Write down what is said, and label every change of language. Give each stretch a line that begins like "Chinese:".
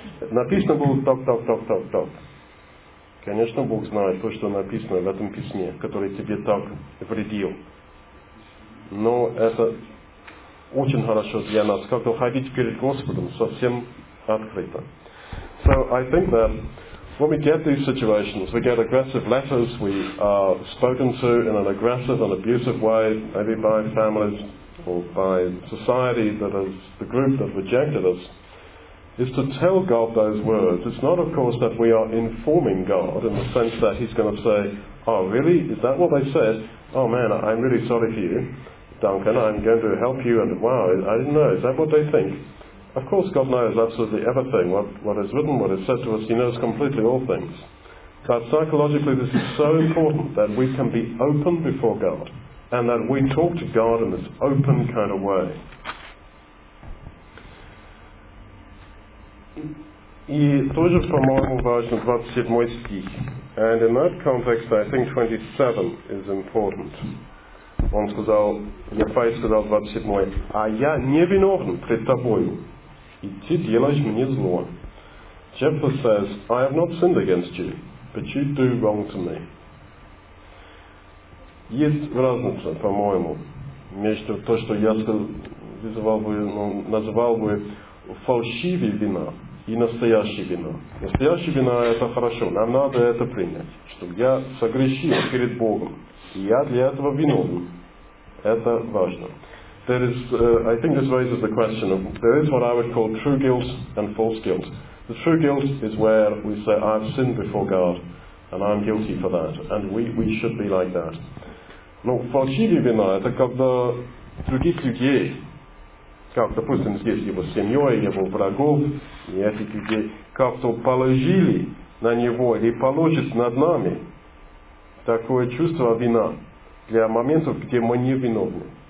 Russian: Написано было так. Конечно, Бог знает то, что написано в этом письме, который тебе так вредил. Но это очень хорошо для нас, как-то ходить перед Господом совсем открыто.
English: So I think that when we get these situations, we get aggressive letters, we are spoken to in an aggressive and abusive way, maybe by families or by society that is the group that rejected us, is to tell God those words. It's not, of course, that we are informing God in the sense that he's going to say, oh, really? Is that what they said? Oh, man, I'm really sorry for you, Duncan. I'm going to help you. And wow, I didn't know. Is that what they think? Of course, God knows absolutely everything. What is written, what is said to us, he knows completely all things. But psychologically, this is so important that we can be open before God and that we talk to God in this open kind of way.
Russian: И тоже, по-моему, важно 27 стих.
English: And in that context, I think 27 is important.
Russian: Он сказал, Ефай сказал 27, а я не виновен пред тобою. И ты делаешь мне зло.
English: Jephthah says, I have not sinned against you, but you do wrong to me.
Russian: Есть разница, по-моему, между то, что я называл бы фальшивая вина и настоящая вина. Настоящая вина – это хорошо, нам надо это принять, что я согрешил перед Богом, и я для этого виновен. Это важно.
English: There is, I think this raises the question of, there is what I would call true guilt and false guilt. The true guilt is where we say, I've sinned before God, and I'm guilty for that. And we should be like that.
Russian: Ну, фальшивая вина – это когда других людей, как, допустим, здесь его семьей, его врагов, и этих людей, как-то положили на него или положат над нами такое чувство вина для моментов, где мы не виновны.